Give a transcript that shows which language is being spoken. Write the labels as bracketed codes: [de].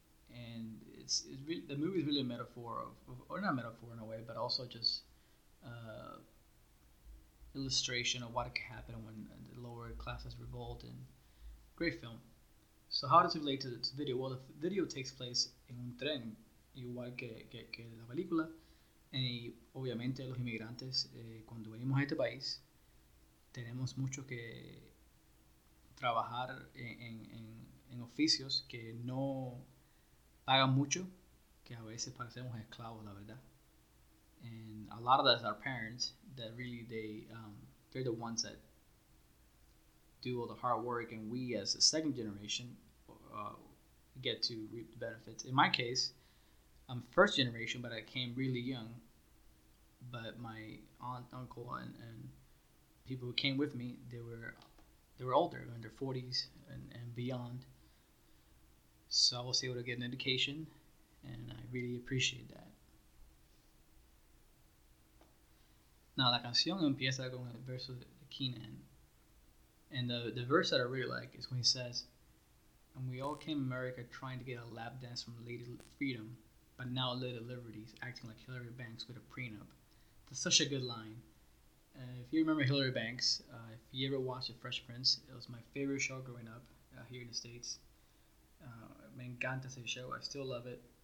[en] And it's really, the movie is really a metaphor of, or not a metaphor in a way, but also just illustration of what could happen when the lower classes revolt. And great film. So how does it relate to this video? Well, the video takes place in [es] un tren, igual que la película. Y obviamente los inmigrantes, cuando venimos a este país, tenemos mucho que trabajar en oficios que no pagan mucho, que a veces parecemos esclavos, la verdad. [en] And a lot of that is our parents, that really they're the ones that do all the hard work, and we as a second generation get to reap the benefits. In my case, I'm first generation, but I came really young. But my aunt, uncle, and people who came with me, they were older, in their 40s and beyond. So I was able to get an education, and I really appreciate that. [es] Now, la canción empieza con el verso de Keenan. [en] And the verse that I really like is when he says, "And we all came to America trying to get a lap dance from Lady Freedom, but now Lady Liberty's acting like Hillary Banks with a prenup." That's such a good line. If you remember Hillary Banks, if you ever watched The Fresh Prince, it was my favorite show growing up here in the States. [es] Me encanta ese show. [en] I still love it.